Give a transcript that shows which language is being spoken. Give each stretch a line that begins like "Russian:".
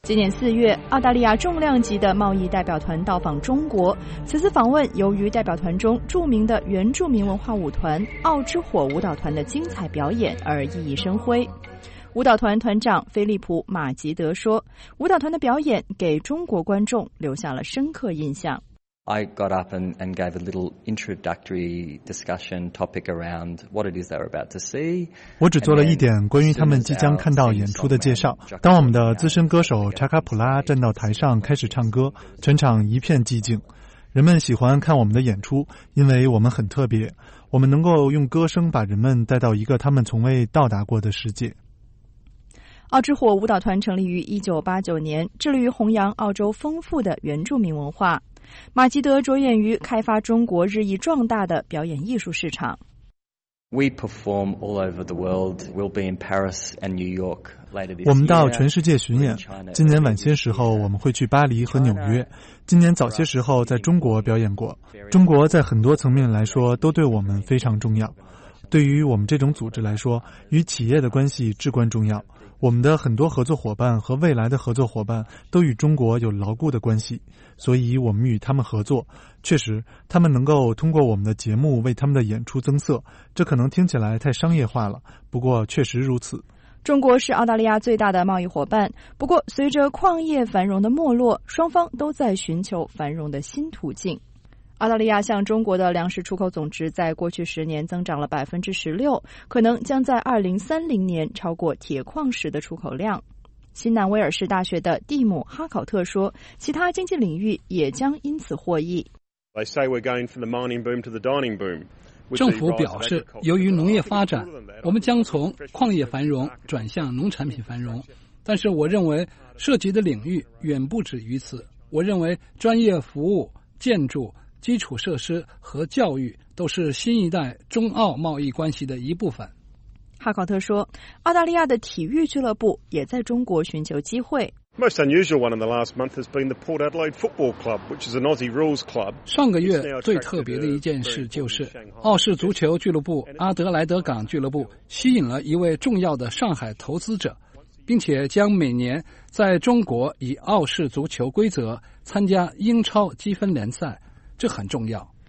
Chinese: 今年4月，澳大利亚重量级的贸易代表团到访中国。此次访问由于代表团中著名的原住民文化舞团澳之火舞蹈团的精彩表演而熠熠生辉。舞蹈团团长菲利普·马吉德说，舞蹈团的表演给中国观众留下了深刻印象。
English: I got up and gave a little introductory discussion topic around what it is they're about to see.
Chinese: 我只做了一点关于他们即将看到演出的介绍。当我们的资深歌手查卡普拉站到台上开始唱歌，全场一片寂静。人们喜欢看我们的演出，因为我们很特别。我们能够用歌声把人们带到一个他们从未到达过的世界。澳之火舞蹈团成立于1989年，致力于弘扬澳洲丰富的原住民文化。马吉德着眼于开发中国日益壮大的表演艺术市场。
English: We perform all over the world. We'll be in Paris and New York later this year.
Chinese: 我们到全世界巡演，今年晚些时候我们会去巴黎和纽约。今年早些时候在中国表演过。中国在很多层面来说都对我们非常重要。对于我们这种组织来说，与企业的关系至关重要。我们的很多合作伙伴和未来的合作伙伴都与中国有牢固的关系，所以我们与他们合作，确实他们能够通过我们的节目为他们的演出增色。这可能听起来太商业化了，不过确实如此。中国是澳大利亚最大的贸易伙伴，不过随着矿业繁荣的没落，双方都在寻求繁荣的新途径。澳大利亚向中国的粮食出口总值在过去十年增长了16%，可能将在2030年超过铁矿石的出口量。新南威尔士大学的蒂姆·哈考特说，其他经济领域也将因此获益。
English: They say we're going from the mining boom to the dining boom。
Chinese: 政府表示，由于农业发展，我们将从矿业繁荣转向农产品繁荣。但是我认为涉及的领域远不止于此。我认为专业服务、建筑、基础设施和教育都是新一代中澳贸易关系的一部分。哈考特说，澳大利亚的体育俱乐部也在中国寻求机会。
English: Most unusual one in the last month has been the Port Adelaide Football Club, which is an Aussie rules club.
Chinese: 上个月最特别的一件事就是，澳式足球俱乐部阿德莱德港俱乐部吸引了一位重要的上海投资者，并且将每年在中国以澳式足球规则参加英超积分联赛，这很重要。